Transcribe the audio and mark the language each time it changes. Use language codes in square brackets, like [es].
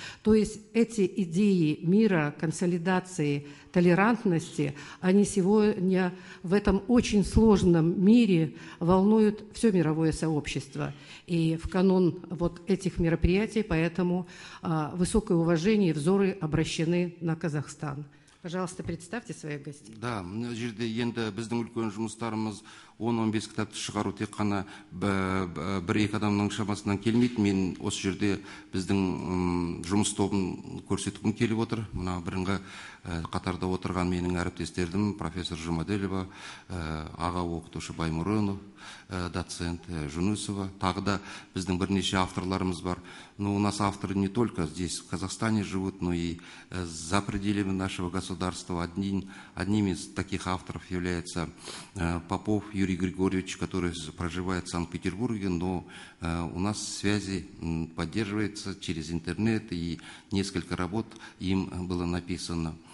[ru] То есть эти идеи мира, консолидации, толерантности, они сегодня в этом очень сложном мире волнуют все мировое сообщество. И в канун вот этих мероприятий поэтому высокое уважение и взоры обращены на Казахстан. Пожалуйста, представьте своих гостей. [kk] Да, мына жерде енді біздің үлкен жұмыстарымыз 10-15 кітапты шығару тек қана бір-екі адамның шамасынан келмейді. Мен осы жерде біздің жұмыс тобын көрсеткім келіп отыр. Мына бірінгі қатарда отырған менің әріптестерім профессор Жұмаділова, аға оқытушы Баймұрынов, доцент Жүнісова, тағы да біздің бірнеше авторларымыз бар. [ru] Ну, у нас авторы не только здесь, в Казахстане живут, но и за пределами нашего государства. Одним из таких авторов является Попов Юрий Григорьевич, который проживает в Санкт-Петербурге, но у нас связи поддерживаются через интернет, и несколько работ им было написано.